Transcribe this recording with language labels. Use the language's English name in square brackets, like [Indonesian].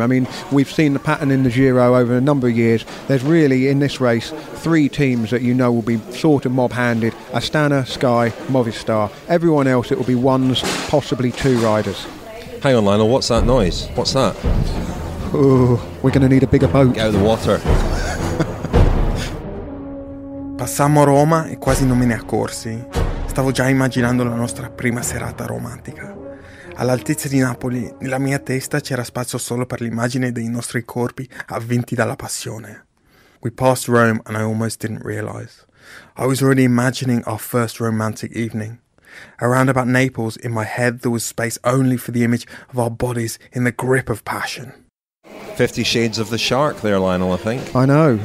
[English] I mean, we've seen the pattern in the Giro over a number of years. There's really, in this race, three teams that you know will be sort of mob-handed: Astana, Sky, Movistar. Everyone else, it will be ones, possibly two riders. Hang on, Lionel, what's that noise? What's that? Ooh, we're going to need a bigger boat. Get out of the water. [Italian] Passammo Roma e quasi non me ne accorsi. Stavo già immaginando la nostra prima serata romantica. All'altezza di Napoli, nella mia testa c'era spazio solo per l'immagine dei nostri corpi avvinti dalla passione. [English] We passed Rome and I almost didn't realize. I was already imagining our first romantic evening. Around about Naples, in my head there was space only for the image of our bodies in the grip of passion. 50 Shades of the Shark there, Lionel, I think. I know.